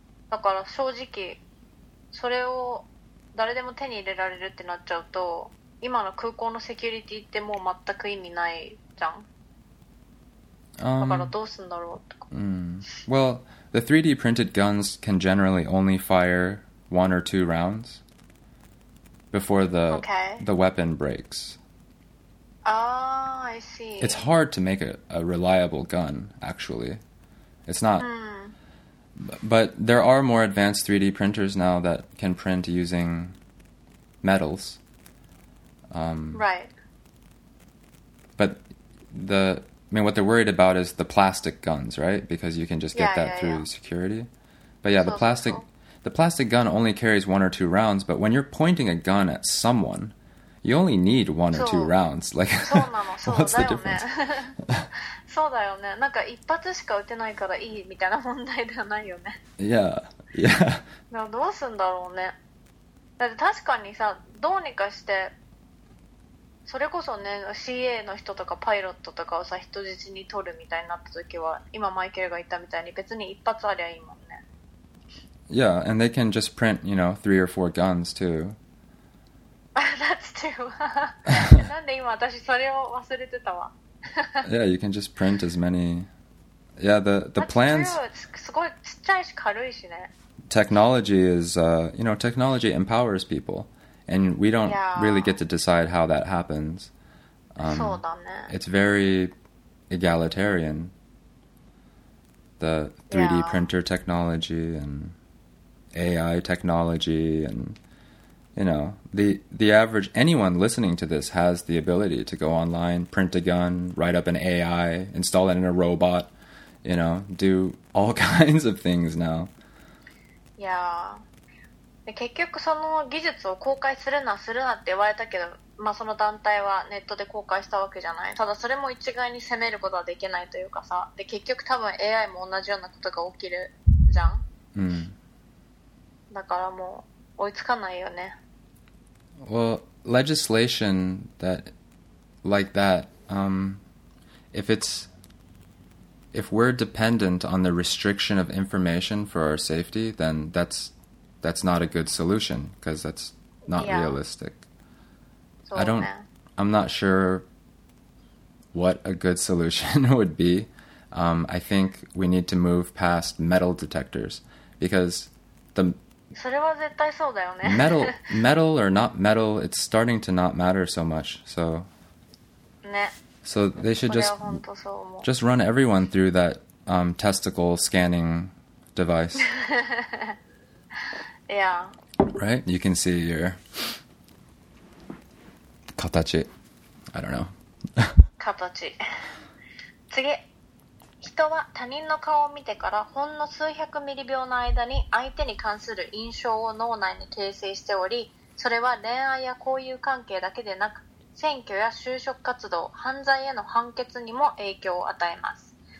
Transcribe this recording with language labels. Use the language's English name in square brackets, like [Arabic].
[Japanese] だから正直それを誰でも手に入れられるってなっちゃうと今の空港のセキュリティってもう全く意味ないじゃん。だからどうすんだろうとか。 [English] Well, the 3D printed guns can generally only fire one or two rounds. Before the weapon breaks. Oh, I see. It's hard to make a reliable gun, actually. It's not... But there are more advanced 3D printers now that can print using metals. Right. But the... I mean, what they're worried about is the plastic guns, right? Because you can just get that through security. But yeah, The plastic gun only carries one or two rounds, but when you're pointing a gun at someone, you only need one or two rounds. Like, what's the difference? [Japanese] そうだよね。なんか一発しか撃てないからいいみたいな問題ではないよね。 [English] Yeah. [Japanese] どうすんだろうね。だって確かにさ、どうにかして、それこそね、CA の人とかパイロットとかをさ、人質に取るみたいになった時は、今マイケルが言ったみたいに別に一発ありゃいいもん。 [English] Yeah, and they can just print, you know, three or four guns, too. That's true. [Japanese] なんで今私それを忘れてたわ。 [English] Yeah, you can just print as many... Yeah, the plans... That's true. [Japanese] すごいちっちゃいし軽いしね。 [English] technology is, you know, technology empowers people. And we don't really get to decide how that happens. It's very egalitarian. The 3D printer technology and AI technology and, you know, the average, anyone listening to this has the ability to go online, print a gun, write up an AI, install it in a robot, you know, do all kinds of things now. Yeah. [Japanese] 結局その技術を公開するなって言われたけど、まあ、その団体はネットで公開したわけじゃない。ただそれも一概に責めることはできないというかさ、で結局多分 AI も同じようなことが起きるじゃん。うん。だからもう追いつかないよね。 [English] Well, legislation that like that, if we're dependent on the restriction of information for our safety, then that's not a good solution because that's not realistic. I'm not sure what a good solution would be. I think we need to move past metal detectors because metal or not metal, it's starting to not matter so much. So they should just run everyone through that testicle scanning device. Yeah. Right? You can see your katachi. I don't know. [Japanese] Katachi. 次。人は他人の顔を見てからほんの数百ミリ秒の間に相手に関する印象を脳内に形成しており、それは恋愛や交友関係だけでなく、選挙や就職活動、犯罪への判決にも影響を与えます。